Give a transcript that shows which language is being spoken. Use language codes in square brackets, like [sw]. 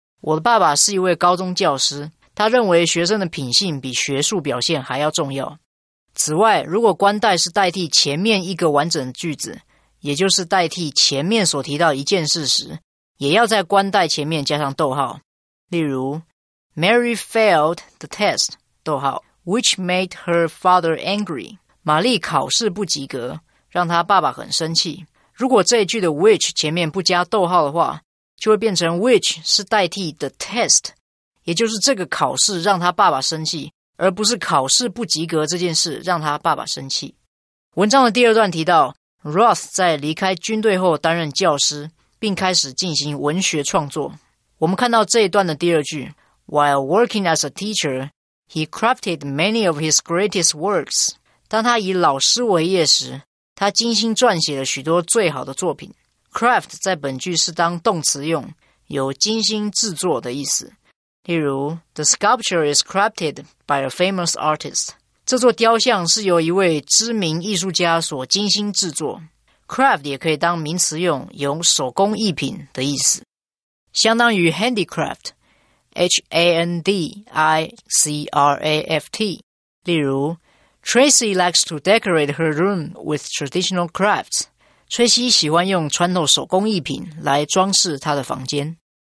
[zh] 我的爸爸是一位高中教师，他认为学生的品性比学术表现还要重要。此外，如果冠带是代替前面一个完整的句子，也就是代替前面所提到一件事时，也要在冠带前面加上逗号。 [en] 例如 ,Mary failed the test, [zh] 逗号 [en] ,which made her father angry. [zh] 玛丽考试不及格，让她爸爸很生气。如果这一句的 which 前面不加逗号的话，就会变成 which 是代替 the test, 也就是这个考试让他爸爸生气，而不是考试不及格这件事让他爸爸生气。文章的第二段提到 Roth 在离开军队后担任教师，并开始进行文学创作。我们看到这一段的第二句 [en] While working as a teacher, he crafted many of his greatest works. [zh] 当他以老师为业时，他精心撰写了许多最好的作品。 Craft 在本句是当动词用，有精心制作的意思。 [en] 例如 The sculpture is crafted by a famous artist. [zh] 这座雕像是由一位知名艺术家所精心制作。 Craft 也可以当名词用，有手工艺品的意思。相当于 handicraft, H-A-N-D-I-C-R-A-F-T. [en] 例如 Tracy likes to decorate her room with traditional crafts. [zh] 崔西喜欢用传统手工艺品来装饰她的房间。